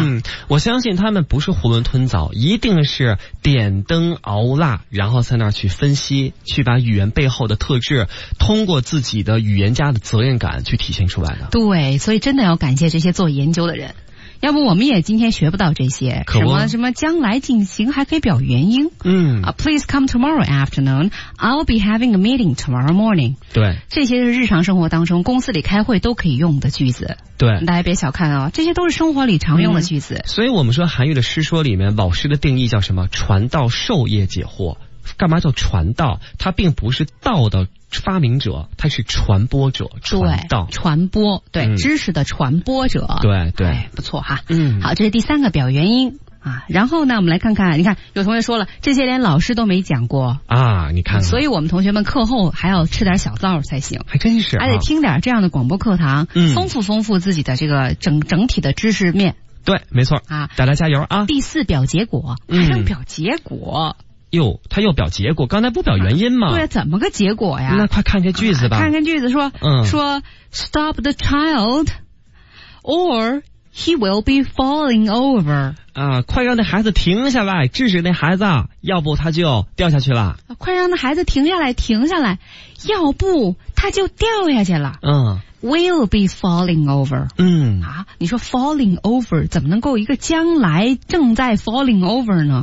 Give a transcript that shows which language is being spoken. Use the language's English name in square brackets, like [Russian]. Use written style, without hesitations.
[Chinese] 嗯，我相信他们不是囫囵吞枣，一定是点灯熬蜡，然后在那儿去分析，去把语言背后的特质通过自己的语言家的责任感去体现出来的。对，所以真的要感谢这些做研究的人，要不我们也今天学不到这些什么将来进行还可以表原因。嗯、 [English] Please come tomorrow afternoon. I'll be having a meeting tomorrow morning. [Chinese] 对，这些是日常生活当中公司里开会都可以用的句子。对，大家别小看哦，这些都是生活里常用的句子。所以我们说韩愈的诗说里面老师的定义叫什么，传道授业解惑。干嘛叫传道？他并不是道的发明者，他是传播者，传道，传播，对、嗯、知识的传播者，对对、哎，不错哈。嗯，好，这是第三个表原因啊。然后呢，我们来看看，你看有同学说了，这些连老师都没讲过啊，你 看，所以我们同学们课后还要吃点小灶才行，还真是、啊，还得听点这样的广播课堂，嗯、丰富丰富自己的这个整体的知识面。对，没错啊，大家加油啊！第四表结果，还能表结果。嗯哟，他又表结果，刚才不表原因吗？对，怎么个结果呀？那快看看句子吧。看看句子说，说 [English] stop the child, or he will be falling over。 [Chinese] 啊，快让那孩子停下来，制止那孩子，要不他就掉下去了。啊、快让那孩子停下来，停下来，要不他就掉下去了。嗯 [English] ，will be falling over。 [Chinese] 嗯，啊，你说 [English] falling over [Chinese] 怎么能够一个将来正在 falling over 呢？